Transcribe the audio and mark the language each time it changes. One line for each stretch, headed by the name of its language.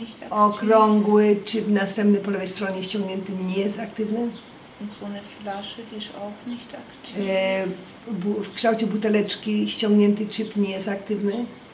Polish: Okrągły chip następny po lewej stronie ściągnięty, nie jest aktywny.
German: So eine Flasche, die ist auch nicht aktiv.
Polish: W kształcie buteleczki ściągnięty chip nie jest aktywny.